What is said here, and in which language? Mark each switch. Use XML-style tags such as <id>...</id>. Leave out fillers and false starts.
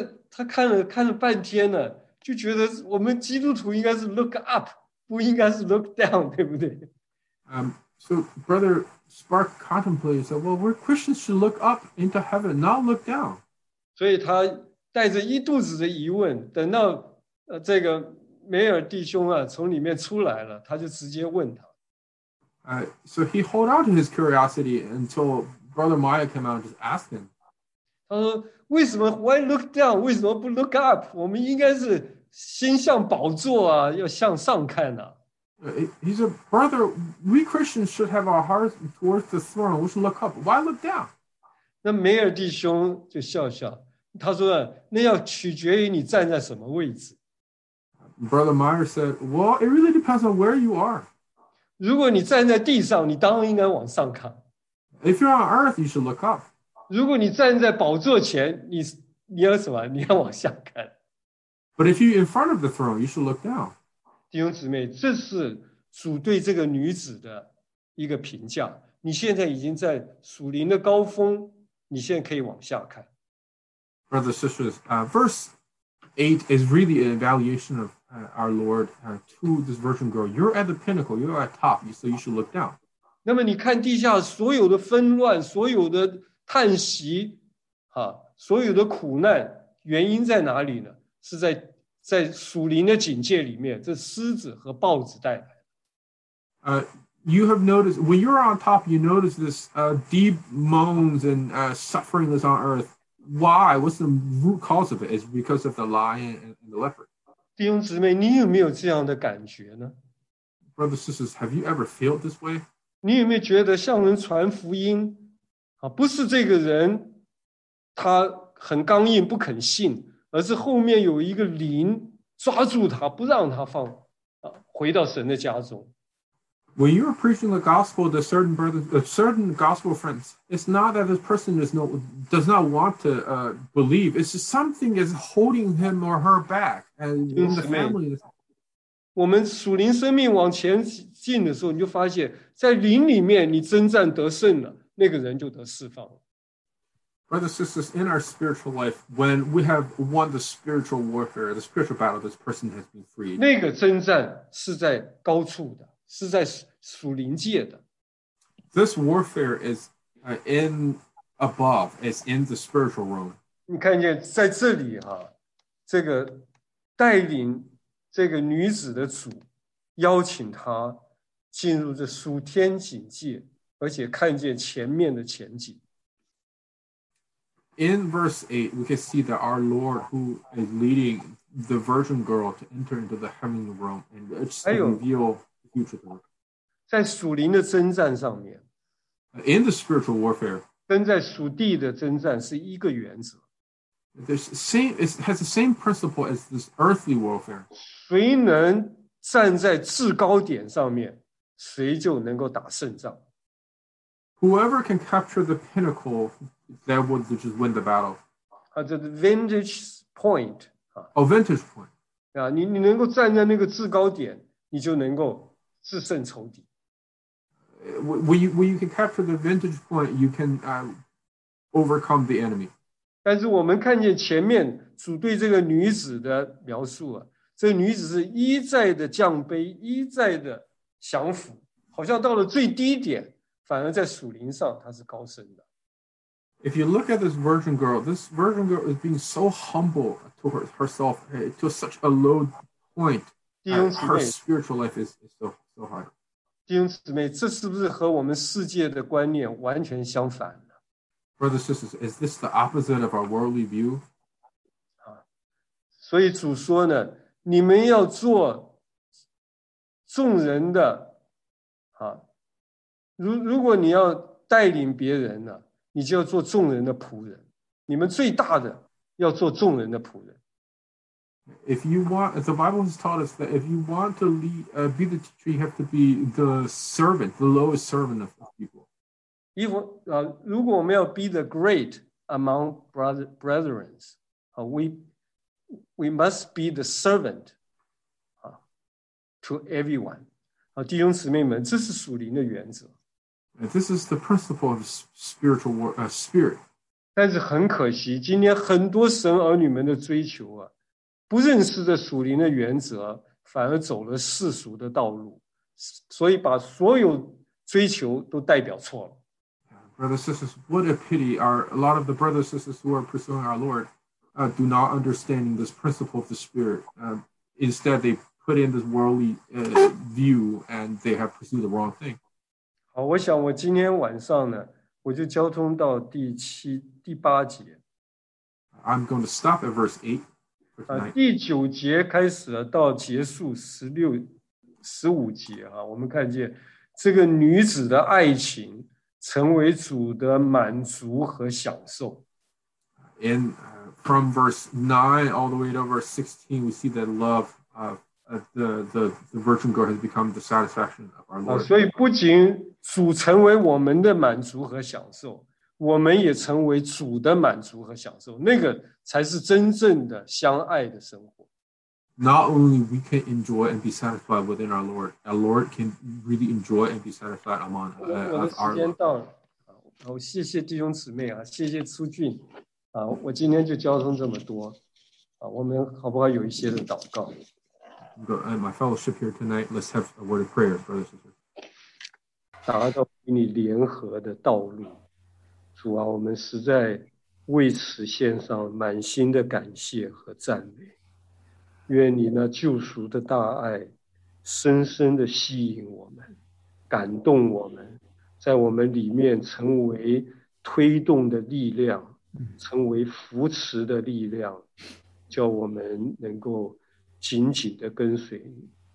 <zh>他看了半天呢，就觉得我们基督徒应该是</zh> <en>look up，</en> <zh>不应该是</zh> <en>look down，</en> <zh>对不对</zh> <en>？So Brother Spark contemplated, said, "Well, we're Christians should look up into heaven, not look down."</en> <zh>所以他带着一肚子的疑问，等到这个梅尔弟兄啊从里面出来了，他就直接问他。</zh> <en>So he held out his curiosity until Brother Meyer came out and just asked him.</en> <zh>他说，为什么</zh> <en>why look down？</en> <zh>为什么不</zh> <en>look up？</en> <zh>我们应该是心向宝座啊，要向上看呐、啊。</zh> <en>He said, "Brother, we Christians should have our hearts towards the throne. We should look up. Why look down?"</en> <zh>那梅尔弟兄就笑笑，他说，那要取决于你站在什么位置。</zh> <en>Brother Meyer said, "Well, it really depends on where you are."</en> <zh>如果你站在地上，你当然应该往上看。</zh> <en>If you're on earth, you should look up.</en> <zh>如果你站在宝座前，你要什么？你要往下看。</zh> <en>But if you're in front of the throne, you should look down.</en> <zh>弟兄姊妹，这是主对这个女子的一个评价。你现在已经在属灵的高峰，你现在可以往下看。</zh> <en>Brothers and sisters, verse 8 is really an evaluation of our Lord to this virgin girl. You're at the pinnacle, you're at top, so you should look down.</en> <zh>那么你看地下所有的纷乱，所有的叹息，所有的苦难，原因在哪里呢？是在属灵的警戒里面，这狮子和豹子带来的。</zh> <en>You have noticed, when you're on top, you notice this deep moans and suffering that's on earth. Why? What's the root cause of it? It's because of the lion and the leopard.</en> <zh>弟兄姊妹，你有没有这样的感觉呢？</zh> <en>Brothers and sisters, have you ever felt this way?</en> <zh>你有没有觉得向人传福音，不是这个人他很刚硬不肯信，而是后面有一个灵抓住他，不让他放回到神的家中。</zh> <en>When you are preaching the gospel to certain brothers, certain gospel friends, it's not that this person does not want to believe. It's just something is holding him or her back, and in the family.</en> <zh>我们属灵生命往前进的时候，你就发现，在灵里面你征战得胜了。那个人就得释放了。</zh> <en>Brothers and sisters, in our spiritual life, when we have won the spiritual warfare, the spiritual battle, this person has been freed.</en> <zh>那个征战是在高处的，是在属灵界的。</zh> <en>This warfare is in above, it's in the spiritual realm.</en> <zh>你看见在这里这个带领这个女子的主邀请她进入这属天警戒。而且看见前面的前景。</zh> <en>In verse 8, we can see that our Lord, who is leading the virgin girl to enter into the heavenly realm and it's to reveal the future to her.</en> <zh>在属灵的征战上面,</zh> <en>in the spiritual warfare,</en> <zh>跟在属地的征战是一个原则。</zh> <en>It has the same principle as this earthly warfare.</en> <zh>谁能站在制高点上面, 谁就能够打胜仗。</zh> <en>Whoever can capture the pinnacle, that would just win the battle. The vantage point. Oh, vantage point.</en> <zh>你能够站在那个制高点, 你就能够制胜仇敌。</zh> <en>When you can capture the vantage point, you can overcome the enemy.</en> <zh>但是我们看见前面主对这个女子的描述啊，这个女子是一再的降卑，一再的降服，好像到了最低点，反而在属灵上她是高升的。</zh> <en>If you look at this virgin girl is being so humble to herself to such a low point, her spiritual life is so high.</en> <zh>弟兄姊妹，这是不是和我们世界的观念完全相反呢？</zh> <en>Brothers and sisters, is this the opposite of our worldly view?</en> <zh>所以主说呢，你们要做众人的，如果你要带领别人呢，你就要做众人的仆人。你们最大的要做众人的仆人。</zh> <en>If you want, the Bible has taught us that if you want to lead, be the teacher, you have to be the servant, the lowest servant of people. If,</en> <zh>如果我们要</zh> <en>be the great among brethren, we must be the servant to everyone.</en> <zh>弟兄姊妹们，这是属灵的原则。</zh> <en>This is the principle of spiritual spirit.</en> <zh>但是很可惜，今天很多神儿女们的追求啊。不认识这属灵的原则，反而走了世俗的道路，所以把所有追求都代表错了。</zh> <en>Brothers and sisters, what a pity! A lot of the brothers and sisters who are pursuing our Lord do not understand this principle of the Spirit. Instead, they put in this worldly view and they have pursued the wrong thing.</en> <zh>好，我想我今天晚上呢，我就交通到第八节。</zh> <en>I'm going to stop at verse 8.</en> <zh>第九节开始了到结束十五节，我们看见这个女子的爱情成为主的满足和享受。</zh> <en>And from verse 9 all the way to verse 16, we see that love of the virgin girl has become the satisfaction of our Lord.</en> <zh>所以不仅主成为我们的满足和享受。我们也成为主的满足和享受，那个才是真正的相爱的生活。</zh> <en>Not only we can enjoy and be satisfied within our Lord, our Lord can really enjoy and be satisfied among our Lord.</en> <zh>我的时间到了，好，谢谢弟兄姊妹，谢谢初俊，我今天就交通这么多，我们好不好有一些的祷告。</zh> <en>My fellowship here tonight, let's have a word of prayer, brothers and sisters.</en> <zh>达到与你联合的道路。主啊，我们实在为此献上满心的感谢和赞美。愿你那救赎的大爱深深地吸引我们，感动我们，在我们里面成为推动的力量，成为扶持的力量，叫我们能够紧紧地跟随你。</zh>